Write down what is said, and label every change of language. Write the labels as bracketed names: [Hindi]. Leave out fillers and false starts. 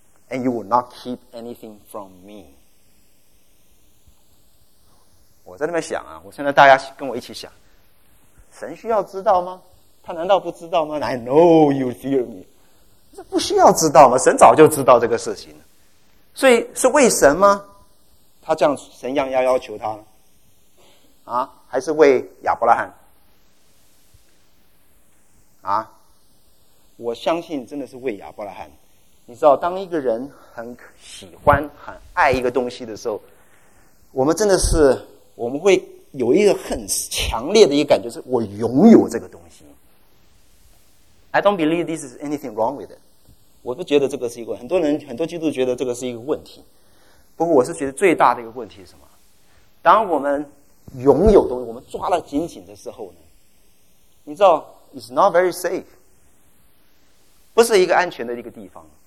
[English] And you will not keep anything from me. [Chinese] 我在那边想啊，我现在大家跟我一起想，神需要知道吗？他难道不知道吗？ [English] I know you fear me. [Chinese] 这不需要知道吗？神早就知道这个事情了。所以是为神吗？他这样神样要要求他呢？啊，还是为亚伯拉罕？啊，我相信真的是为亚伯拉罕。你知道，当一个人很喜欢、很爱一个东西的时候，我们真的是我们会有一个很强烈的一个感觉，是我拥有这个东西。 [English] I don't believe this is anything wrong with it. [Chinese] 我不觉得这个是一个，很多人很多基督徒觉得这个是一个问题。不过我是觉得最大的一个问题是什么？当我们拥有东西，我们抓了紧紧的时候呢，你知道 ， [English] it's not very safe. [Chinese] 不是一个安全的一个地方。